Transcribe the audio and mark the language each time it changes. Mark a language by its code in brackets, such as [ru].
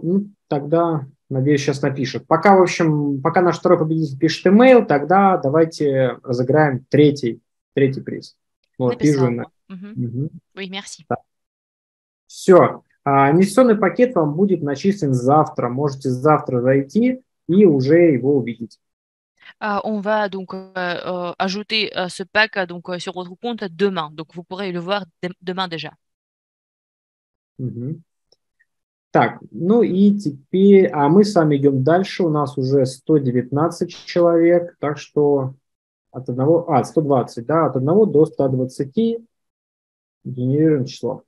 [ru] Ну, тогда, надеюсь, сейчас напишут. Пока, в общем, пока наш второй победитель пишет email, тогда давайте разыграем третий приз. Вот, вижу. [fr] Oui, merci. [ru] Так. Все. Инвестиционный пакет вам будет начислен завтра. Можете завтра зайти и уже его увидеть. [fr] On va donc ajouter ce pack donc sur votre compte demain. Donc vous pourrez le voir demain déjà. Mm-hmm. [ru] Так, ну и теперь, а мы с вами идем дальше. У нас уже 119 человек, так что от одного, 120, да, от одного до 120 генерируем число.